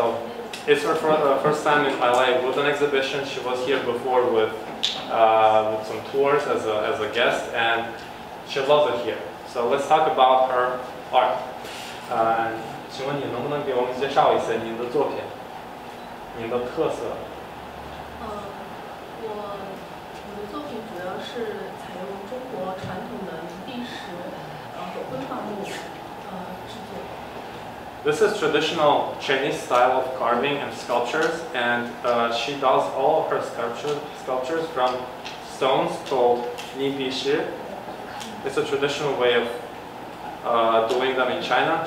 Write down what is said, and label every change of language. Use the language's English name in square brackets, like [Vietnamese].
[English] Okay, so it's her first time in LA with an exhibition. She was here before with some tours as a guest and. She loves it here. So let's talk about her art. [Chinese] 请问你能不能给我们介绍一下您的作品，您的特色？我的作品主要是采用中国传统的砾石和灰块木制作。 [English] This is traditional Chinese style of carving and sculptures, and she does all her sculptures from stones called 泥砾石. It's a traditional way of doing them in China.